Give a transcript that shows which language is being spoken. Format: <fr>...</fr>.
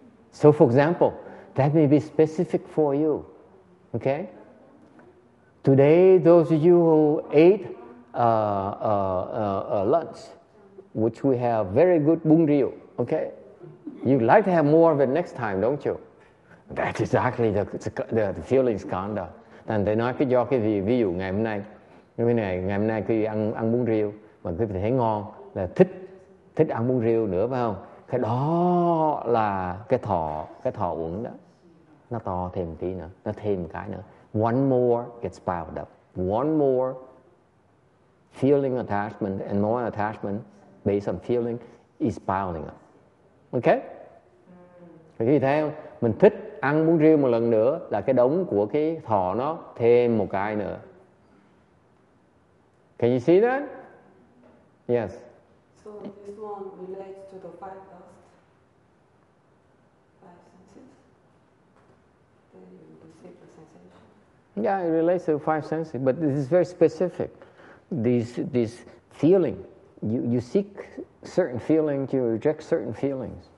<en>So for example, that may be specific for you. Okay? Today, those of you who ate lunch, which we have very good bún riêu, okay? You'd like to have more of it next time, don't you? That's exactly the feeling skanda.</en> <vi>Thành thầy nói cái do cái gì, ví dụ ngày hôm nay cứ ăn bún riêu mà cứ thấy ngon là thích ăn bún riêu nữa, phải không? Cái đó là cái thọ uẩn đó, nó to thêm tí nữa, nó thêm một cái nữa.</vi> <en>One more gets piled up, one more feeling attachment and more attachment based on feeling is piling up. Okay?</en> <vi>Thì thấy không? Mình thích ăn bún riêu một lần nữa là cái đống của cái thọ nó thêm một cái nữa.</vi> <en>Can you see that? Yes. So this one relates to the five last five senses. Then you receive the sensation. Yeah, it relates to five senses, but this is very specific. This feeling, you seek certain feelings, you reject certain feelings.</en>